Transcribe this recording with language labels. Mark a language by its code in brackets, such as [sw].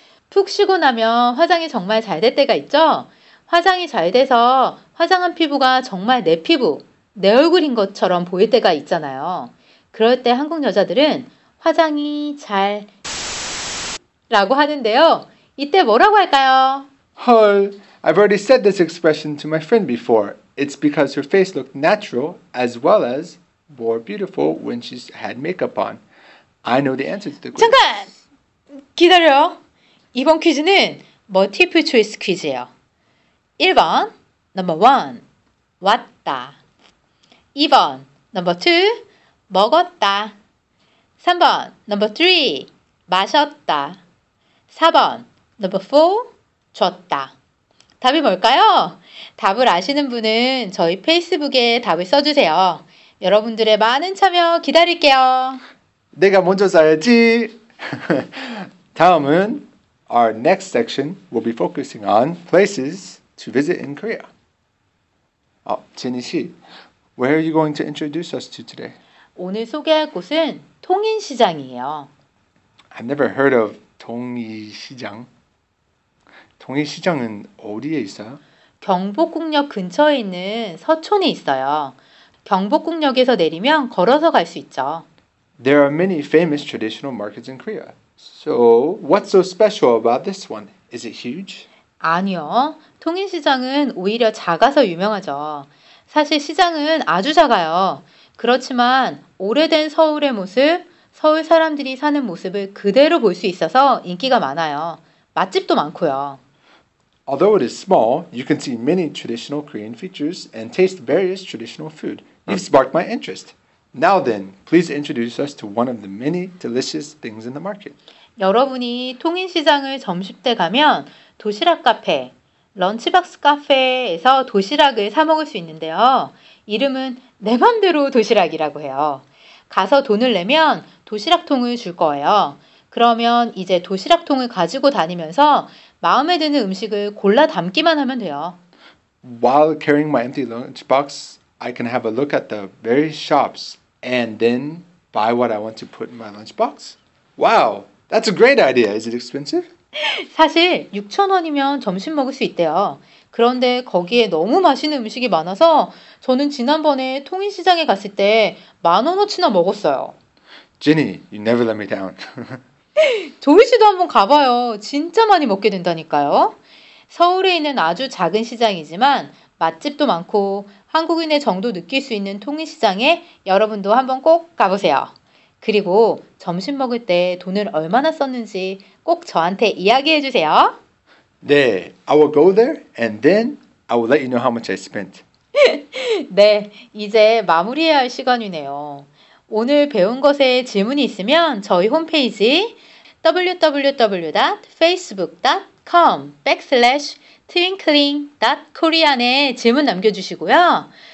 [ko] 푹 쉬고 나면 화장이 정말 잘 될 때가 있죠? 화장이 잘 돼서 화장한 피부가 정말 내 피부, 내 얼굴인 것처럼 보일 때가 있잖아요. 그럴 때 한국 여자들은 화장이 잘... 라고 하는데요. 이때 뭐라고 할까요? [en] 헐, I've already said this expression to my friend before. It's because her face looked natural as well as more beautiful when she's had makeup on. I know the answer to the question. [ko] 잠깐! 기다려. 이번 퀴즈는 multiple choice 퀴즈예요. 1번, [en] number 1, [ko] 왔다. 2번, [en] number 2, [ko] 먹었다. 3번, [en] number 3, [ko] 마셨다. 4번, [en] number 4, [ko] 줬다. 답이 뭘까요? 답을 아시는 분은 저희 페이스북에 답을 써주세요. 여러분들의 많은 참여 기다릴게요. 내가 먼저 써야지. 다음은 [en] our next section will be focusing on places to visit in Korea. 진희 씨, where are you going to introduce us to today? [ko] 오늘 소개할 곳은 통인시장이에요. [en] I've never heard of 통이시장. [ko] 통일시장은 어디에 있어요? 경복궁역 근처에 있는 서촌에 있어요. 경복궁역에서 내리면 걸어서 갈 수 있죠. [en] There are many famous traditional markets in Korea. So, what's so special about this one? Is it huge? [ko] 아니요. 통일시장은 오히려 작아서 유명하죠. 사실 시장은 아주 작아요. 그렇지만 오래된 서울의 모습, 서울 사람들이 사는 모습을 그대로 볼 수 있어서 인기가 많아요. 맛집도 많고요. [en] Although it is small, you can see many traditional Korean features and taste various traditional food. You've sparked my interest. Now then, please introduce us to one of the many delicious things in the market. [ko] 여러분이 통인시장을 점심 때 가면 도시락 카페, 런치박스 카페에서 도시락을 사 먹을 수 있는데요. 이름은 내 맘대로 도시락이라고 해요. 가서 돈을 내면 도시락통을 줄 거예요. 그러면 이제 도시락통을 가지고 다니면서 마음에 드는 음식을 골라 담기만 하면 돼요. [en] While carrying my empty lunchbox, I can have a look at the various shops and then buy what I want to put in my lunchbox. Wow, that's a great idea. Is it expensive? [ko] 사실 6,000원이면 점심 먹을 수 있대요. 그런데 거기에 너무 맛있는 음식이 많아서 저는 지난번에 통인시장에 갔을 때 10,000원어치나 먹었어요. [en] Jenny, you never let me down. [ko] 조이 씨도 한번 가봐요. 진짜 많이 먹게 된다니까요. 서울에 있는 아주 작은 시장이지만 맛집도 많고 한국인의 정도 느낄 수 있는 통인시장에 여러분도 한번 꼭 가보세요. 그리고 점심 먹을 때 돈을 얼마나 썼는지 꼭 저한테 이야기해 주세요. [en] 네, I will go there and then I will let you know how much I spent. [ko] 네, 이제 마무리해야 할 시간이네요. 오늘 배운 것에 질문이 있으면 저희 홈페이지 www.facebook.com/twinkling.korean에 질문 남겨주시고요.